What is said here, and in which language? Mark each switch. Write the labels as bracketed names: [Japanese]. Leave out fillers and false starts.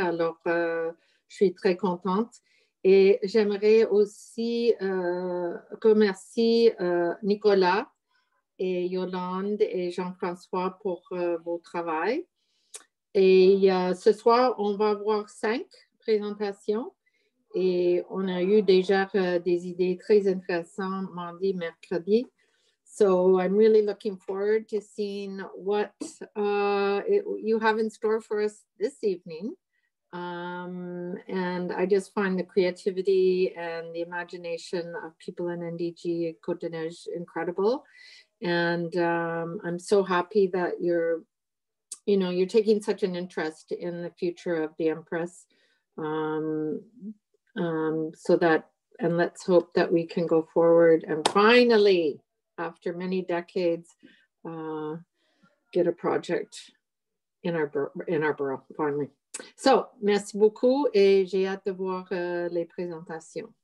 [French] Alors, je suis très contente. Et j'aimerais aussi remercier Nicolas et Yolande et Jean-François pour vos travail. Et ce soir, on va avoir 5 présentations. Et on a eu déjà des idées très intéressantes mardi, mercredi. [English] So I'm really looking forward to seeing what you have in store for us this evening. And I just find the creativity and the imagination of people in NDG Côte de Neige incredible. And I'm so happy that you're taking such an interest in the future of the Empress. So let's hope that we can go forward and finally, after many decades, get a project in our borough, finally. [French] So, merci beaucoup et j'ai hâte de voir les présentations.